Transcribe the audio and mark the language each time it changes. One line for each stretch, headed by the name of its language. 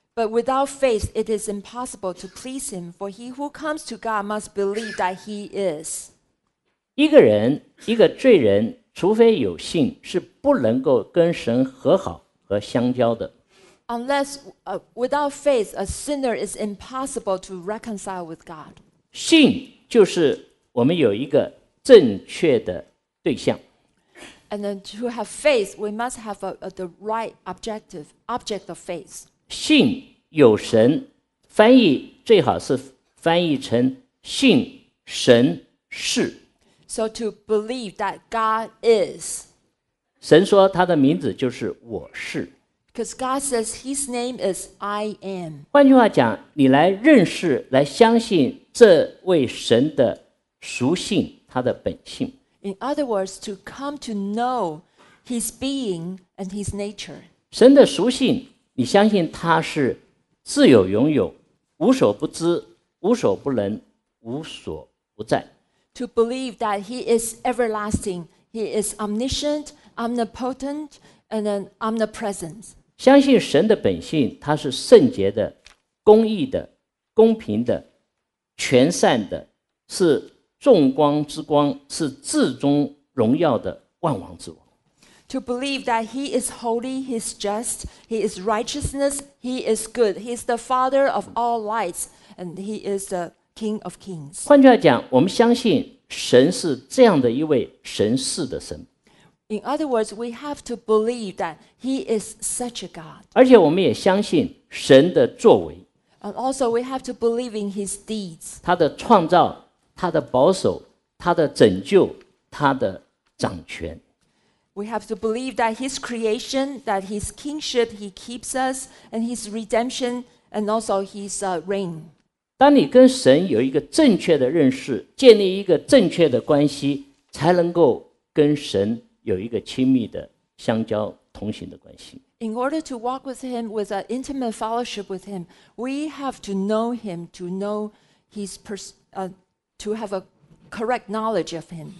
English: But without faith, it is impossible to please him, for he who comes to God must believe that he is.
Chinese: 一个人，一个罪人，除非有信，是不能够跟神和好和相交的。
English: Unless, without faith, a sinner is impossible to reconcile with God.
Chinese: 信就是我们有一个正确的对象。
English: And then to have faith, we must have the right object of faith.
Chinese: 信有神，翻译最好是翻译成信神是。
English: So to believe that God is.
Chinese: 神说他的名字就是我是。
English: Because God says his name is I am.
Chinese: 换句话讲，你来认识，来相信这位神的属性，他的本性。
English: In other words, to come to know his being and his nature.
Chinese: 神的属性，你相信他是自有拥有，无所不知，无所不能，无所不在。
English: To believe that he is everlasting, he is omniscient, omnipotent, and then omnipresent.
Chinese: 相信神的本性，他是圣洁的、公义的、公平的、全善的，是众光之光，是至尊荣耀的万王之王。
English: To believe that he is holy, he is just, he is righteousness, he is good, he is the father of all lights, and he is the King of Kings.
Chinese: 换句话讲，我们相信神是这样的一位神似的神。
English: In other words, we have to believe that He is such a God.
Chinese: 而且我们也相信神的作为。
English: And also, we have to believe in His deeds.
Chinese: 他的创造，他的保守，他的拯救，他的掌权。
English: We have to believe that His creation, that His kingship, He keeps us, and His redemption, and also His reign.
Chinese: 当你跟神有一个正确的认识，建立一个正确的关系，才能够跟神有一个亲密的相交同行的关系。
English: In order to walk with him, with an intimate fellowship with him, we have to know him, to know his to have a correct knowledge of him.